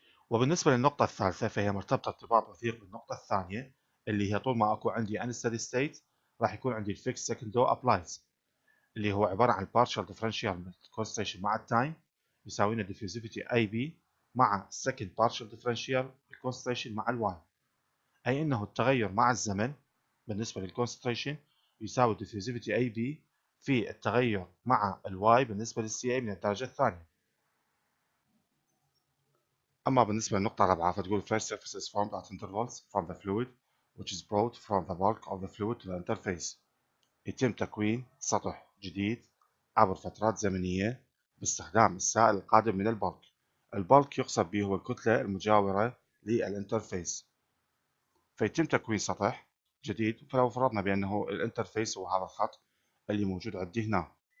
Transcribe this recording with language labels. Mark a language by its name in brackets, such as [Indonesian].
[Arabic] وبالنسبة للنقطة الثالثة فهي مرتبطة ارتباط وثيق بالنقطة الثانية اللي هي طول ما أكو عندي Unsteady State راح يكون عندي Fixed Second Law Applies اللي هو عبارة عن Partial Differential Concentration مع Time يساوينا Diffusivity AB مع second partial differential concentration مع الواي، اي انه التغير مع الزمن بالنسبه للconcentration يساوي diffusivity AB في التغير مع الواي بالنسبه للسي اي من الدرجه الثانيه. اما بالنسبه للنقطه الرابعه فتقول [English] fresh surface is formed at intervals from the fluid which is brought from the bulk of the fluid to the interface. [Arabic] يتم تكوين سطح جديد عبر فترات زمنيه باستخدام السائل القادم من البلك. البلك يقصد به هو الكتلة المجاورة للانترفيس. فيتم تكوين سطح جديد، فلو فرضنا بأنه الانترفيس هو هذا الخط اللي موجود عندي هنا.